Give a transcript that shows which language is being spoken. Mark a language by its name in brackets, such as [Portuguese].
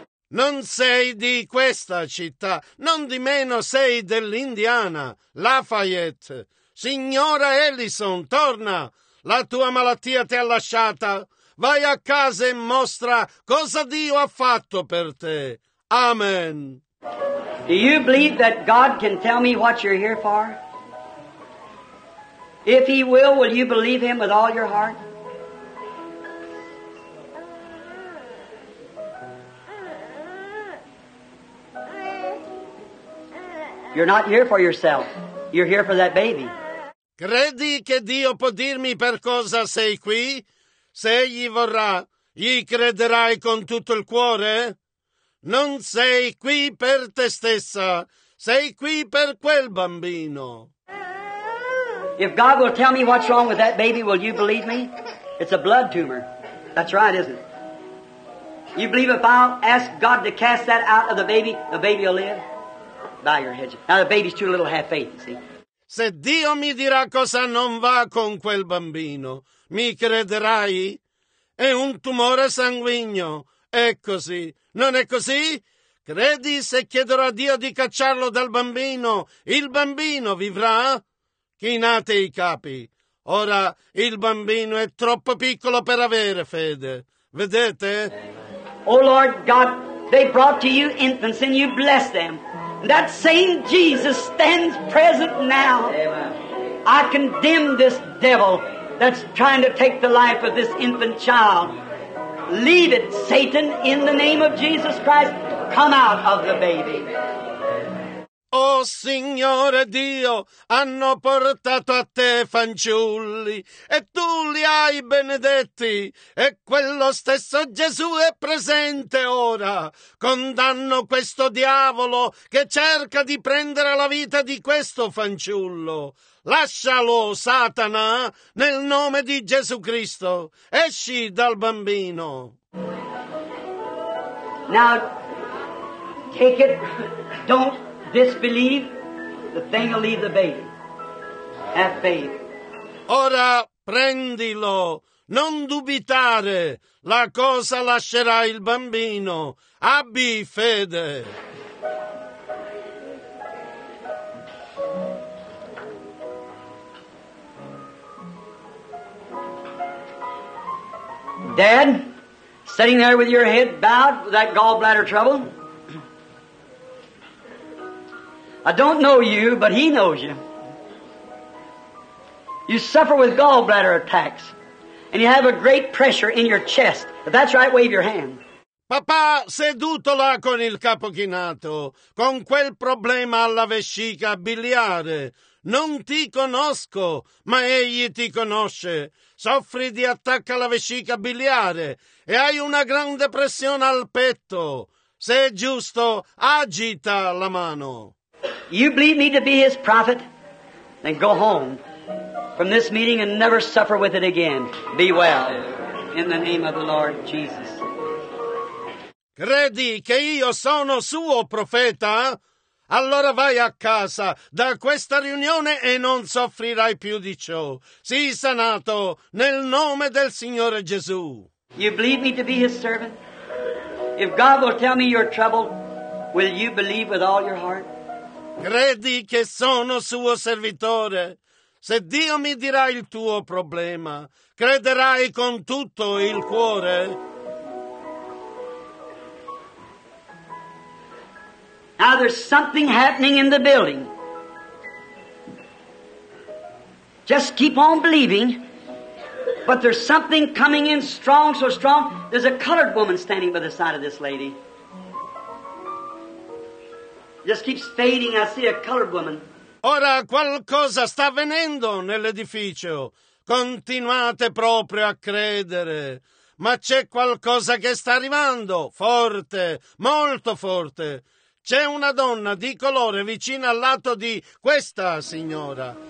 [Italian] Non sei di questa città, non di meno sei dell'Indiana, Lafayette. Signora Ellison, torna! La tua malattia ti ha lasciata. Vai a casa e mostra cosa Dio ha fatto per te. Amen. [English] Do you believe that God can tell me what you're here for? If He will you believe Him with all your heart? You're not here for yourself. You're here for that baby. [Italian] Credi che Dio può dirmi per cosa sei qui? Se egli vorrà, gli crederai con tutto il cuore? Non sei qui per te stessa. Sei qui per quel bambino. [English] If God will tell me what's wrong with that baby, will you believe me? It's a blood tumor. That's right, isn't it? You believe if I'll ask God to cast that out of the baby will live? Now the baby's too little to have faith, you see. [Italian] Se Dio mi dirà cosa non va con quel bambino, mi crederai? È un tumore sanguigno. È così. Non è così? Credi se chiederò a Dio di cacciarlo dal bambino, il bambino vivrà? Chinate i capi. Ora il bambino è troppo piccolo per avere fede. Vedete? [English] Oh Lord God, they brought to you infants and you blessed them. That same Jesus stands present now. Amen. I condemn this devil that's trying to take the life of this infant child. Leave it, Satan, in the name of Jesus Christ. Come out of the baby. [Italian] Oh, Signore Dio, hanno portato a te fanciulli e tu li hai benedetti e quello stesso Gesù è presente ora. Condanno questo diavolo che cerca di prendere la vita di questo fanciullo. Lascialo, Satana, nel nome di Gesù Cristo. Esci dal bambino. [English] Now, take it, don't disbelieve, the thing will leave the baby. Have faith. [Italian] Ora prendilo, non dubitare, la cosa lascerà il bambino. Abbi fede. [English] Dad, sitting there with your head bowed with that gallbladder trouble. I don't know you, but he knows you. You suffer with gallbladder attacks, and you have a great pressure in your chest. If that's right, wave your hand. [Italian] Papà, seduto là con il capo chinato, con quel problema alla vescica biliare. Non ti conosco, ma egli ti conosce. Soffri di attacco alla vescica biliare e hai una grande pressione al petto. Se è giusto, agita la mano. [English] You believe me to be his prophet? Then go home from this meeting and never suffer with it again. Be well in the name of the Lord Jesus. [Italian] Credi che io sono suo profeta? Allora vai a casa da questa riunione e non soffrirai più di ciò. Sii sanato nel nome del Signore Gesù. [English] You believe me to be his servant? If God will tell me your trouble, will you believe with all your heart? [Italian] Credi che sono suo servitore? Se Dio mi dirà il tuo problema, crederai con tutto il cuore? [English] Now there's something happening in the building. Just keep on believing. But there's something coming in strong, so strong. There's a colored woman standing by the side of this lady. Just keeps fading. I see a colored woman. [Italian] Ora qualcosa sta avvenendo nell'edificio. Continuate proprio a credere. Ma c'è qualcosa che sta arrivando. Forte, molto forte. C'è una donna di colore vicino al lato di questa signora.